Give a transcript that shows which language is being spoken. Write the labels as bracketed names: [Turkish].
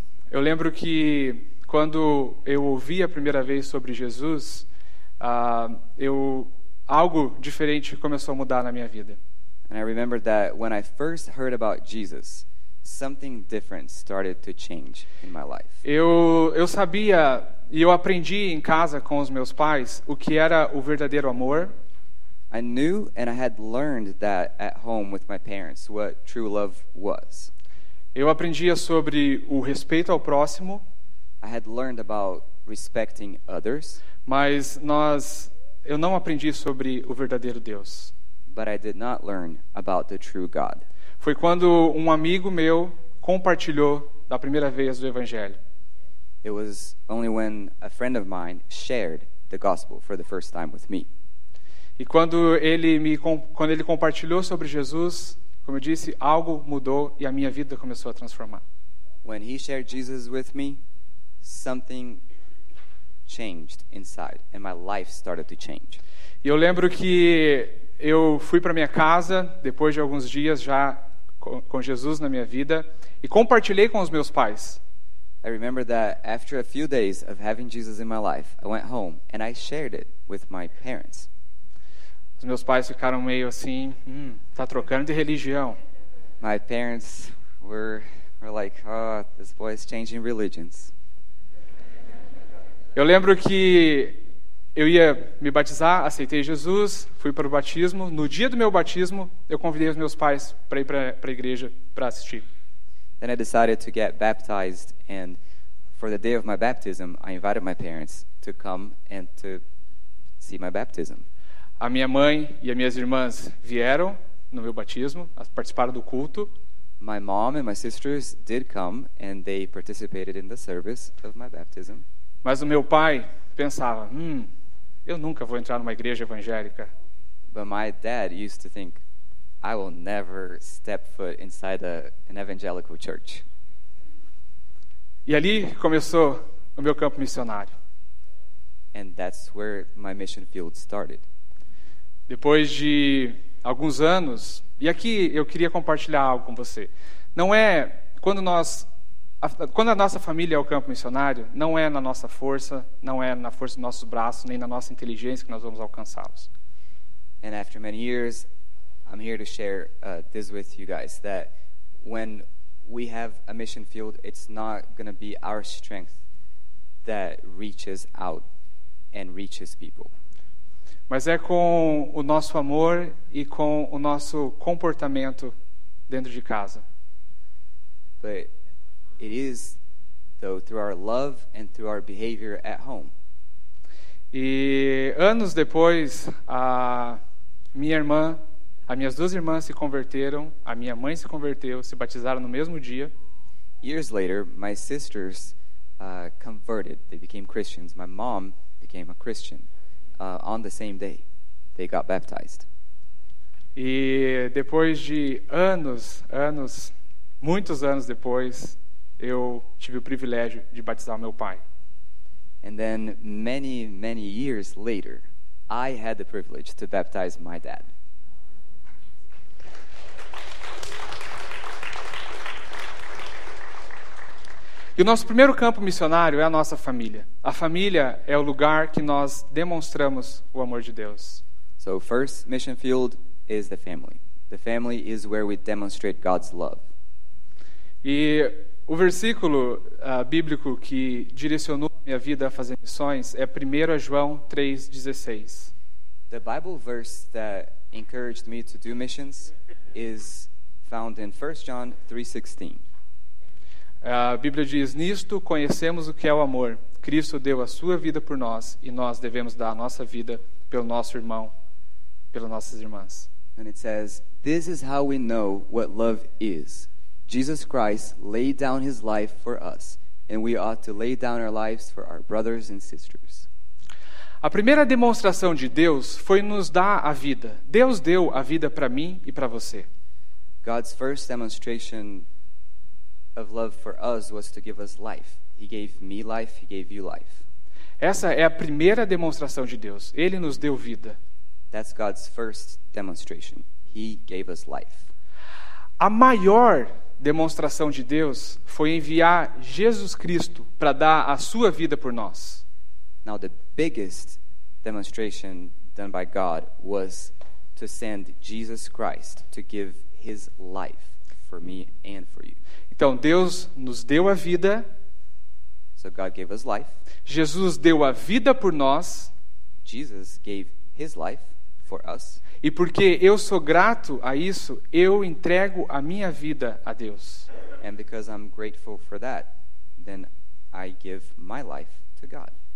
[Portuguese] Eu lembro que quando eu ouvi a primeira vez sobre Jesus, algo diferente começou a mudar na minha vida. [English] And I remember that when I first heard about Jesus, something different started to change in my life. [Portuguese] Eu sabia e eu aprendi em casa com os meus pais o que era o verdadeiro amor. [English] I knew and I had learned that at home with my parents what true love was. [Portuguese] Eu aprendia sobre o respeito ao próximo. [English] I had learned about respecting others. [Portuguese] Mas eu não aprendi sobre o verdadeiro Deus. [English] But I did not learn about the true God. [Portuguese] Foi quando um amigo meu compartilhou da primeira vez do evangelho. [English] It was only when a friend of mine shared the gospel for the first time with me. [Portuguese] E quando ele compartilhou sobre Jesus, como eu disse, algo mudou e a minha vida começou a transformar. [English] When he shared Jesus with me, something changed inside and my life started to change. [Portuguese] E eu lembro que eu fui para minha casa depois de alguns dias já com Jesus na minha vida e compartilhei com os meus pais. [English] I remember that after a few days of having Jesus in my life, I went home and I shared it with my parents. [Portuguese] Os meus pais ficaram meio assim, tá trocando de religião. [English] My parents were like, oh, this boy is changing religions. [Portuguese] Eu lembro que eu ia me batizar, aceitei Jesus, fui para o batismo. No dia do meu batismo, eu convidei os meus pais para ir para a igreja para assistir. [English] Then I decided to get baptized and for the day of my baptism, I invited my parents to come and to see my baptism. [Portuguese] A minha mãe e as minhas irmãs vieram no meu batismo, participaram do culto. [English] My mom and my sisters did come and they participated in the service of my baptism. [Portuguese] Mas o meu pai pensava, eu nunca vou entrar numa igreja evangélica. [English] But my dad used to think, I will never step foot inside an evangelical church. [Portuguese] E ali começou o meu campo missionário. [English] And that's where my mission field started. [Portuguese] Depois de alguns anos, e aqui eu queria compartilhar algo com você. Não é quando nós, quando a nossa família é o campo missionário, não é na nossa força, não é na força dos nossos braços, nem na nossa inteligência que nós vamos alcançá-los. [English] And after many years, I'm here to share this with you guys, that when we have a mission field, it's not going to be our strength that reaches out and reaches people. [Portuguese] Mas é com o nosso amor e com o nosso comportamento dentro de casa. [English] But it is, though, through our love and through our behavior at home. [Portuguese] E anos depois, as minhas duas irmãs se converteram, a minha mãe se converteu, se batizaram no mesmo dia. [English] Years later, my sisters converted. They became Christians. My mom became a Christian. On the same day, they got baptized. [Portuguese] E depois de anos, muitos anos depois, eu tive o privilégio de batizar meu pai. [English] And then many years later, I had the privilege to baptize my dad. [Portuguese] E o nosso primeiro campo missionário é a nossa família. A família é o lugar que nós demonstramos o amor de Deus. [English] So first mission field is the family. The family is where we demonstrate God's love. [Portuguese] E o versículo bíblico que direcionou minha vida a fazer missões é 1 João 3:16. [English] The Bible verse that encouraged me to do missions is found in 1 John 3:16. [Portuguese] A Bíblia diz: nisto conhecemos o que é o amor. Cristo deu a sua vida por nós e nós devemos dar a nossa vida pelo nosso irmão, pelas nossas irmãs. [English] And it says, this is how we know what love is. Jesus Christ laid down his life for us, and we ought to lay down our lives for our brothers and sisters. [Portuguese] A primeira demonstração de Deus foi nos dar a vida. Deus deu a vida para mim e para você. [English] God's first demonstration of love for us was to give us life. He gave me life, he gave you life. [Portuguese] Essa é a primeira demonstração de Deus. Ele nos deu vida. [English] That's God's first demonstration. He gave us life. [Portuguese] A maior demonstração de Deus foi enviar Jesus Cristo para dar a sua vida por nós. [English] Now the biggest demonstration done by God was to send Jesus Christ to give his life for me and for you. [Portuguese] Então Deus nos deu a vida. [English] So God gave us life. [Portuguese] Jesus deu a vida por nós. [English] Jesus gave his life for us. [Portuguese] E porque eu sou grato a isso, eu entrego a minha vida a Deus. [English] And because I'm grateful for that, then I give my life to God.